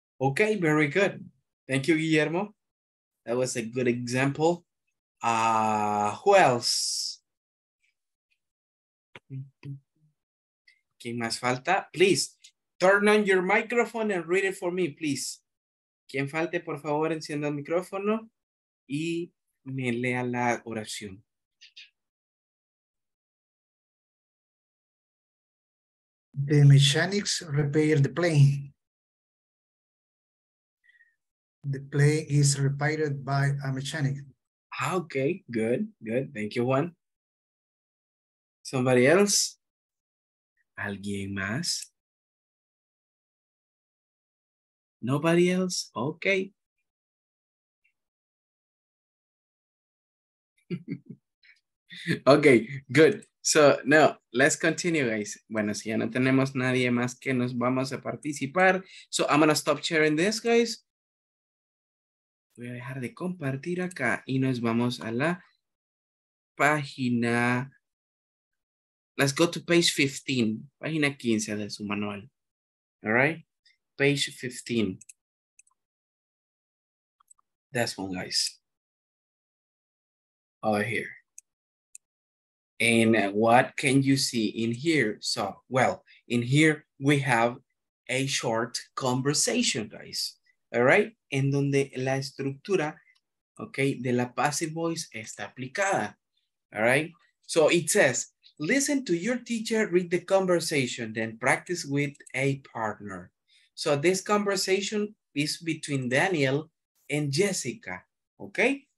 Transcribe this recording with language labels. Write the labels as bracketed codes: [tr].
[en] Okay, very good. Thank you, Guillermo. That was a good example. Who else? [es] ¿Quién más falta? [en] Please, turn on your microphone and read it for me, please. [es] ¿Quién falte, por favor, encienda el micrófono y me lea la oración? [en] The mechanics repair the plane. The plane is repaired by a mechanic. Okay, good, good. Thank you, Juan. Somebody else? [es] ¿Alguien más? [en] Nobody else? Okay. Okay, good. So, now, let's continue, guys. [es] Bueno, si ya no tenemos nadie más que nos vamos a participar. [en] So, I'm going to stop sharing this, guys. [es] Voy a dejar de compartir acá y nos vamos a la página. [en] Let's go to page 15, [es] página 15 de su manual. [en] All right, page 15. That's one, guys. Over here. And what can you see in here? So, well, in here we have a short conversation, guys. All right, [es] en donde la estructura, okay, de la passive voice está aplicada. [en] All right, so it says, listen to your teacher read the conversation, then practice with a partner. So this conversation is between Daniel and Jessica, okay?